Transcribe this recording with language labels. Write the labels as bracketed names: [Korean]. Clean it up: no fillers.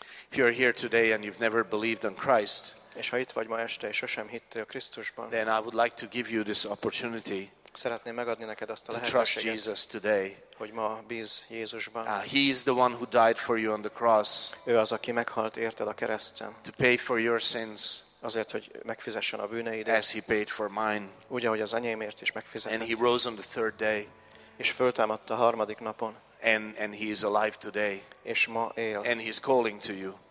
[English] If you are here today and you've never believed in Christ, [Hungarian] és ha itt vagy ma este, és sosem hittél Krisztusban, [English] then I would like to give you this opportunity. [Hungarian] Szeretném megadni neked azt a lehetőséget. [English] To trust Jesus today. [Hungarian] Hogy ma bíz Jézusban. [English] He is the one who died for you on the cross. [Hungarian] Ő az, aki meghalt érted a kereszten. [English] To pay for your sins. [Hungarian] Azért, hogy megfizessen a bűneidet. [English] As he paid for mine. [Hungarian] Úgy, ahogy az enyémért is megfizetett. [English] And he rose on the third day. [Hungarian] És föltámadt a harmadik napon. [English] And he is alive today. [Hungarian] És ma él. [English] And he's calling to you.